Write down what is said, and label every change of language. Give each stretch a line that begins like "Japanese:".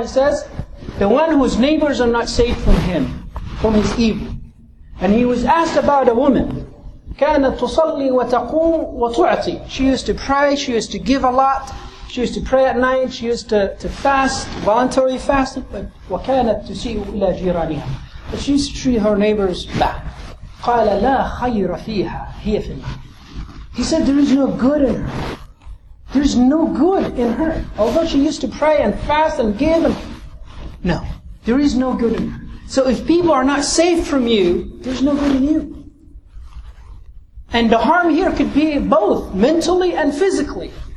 English: He says, the one whose neighbors are not saved from him, from his evil. And he was asked about a woman.
Arabic: كانت تصلي وتقوم وتعطي.
English: She used to pray, she used to give a lot. She used to pray at night, she used to fast, voluntary fasting.
Arabic: But وكانت تسيء إلى جيرانها.
English: But she used to treat her neighbors bad.
Arabic: قال لا خير فيها هي في الله.
English: He said, there is no good in her. There is no good in her. Although she used to pray and fast and give. And... No, there is no good in her. So if people are not safe from you, there's no good in you. And the harm here could be both mentally and physically.